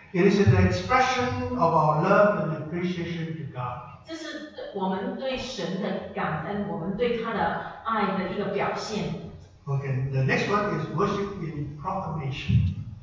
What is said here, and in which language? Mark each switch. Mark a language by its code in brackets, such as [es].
[en] It is an expression of our love and appreciation to God. [zh] 这是我们对神的感恩，我们对他的爱的一个表现。 [en] Okay, the next one is worship in proclamation.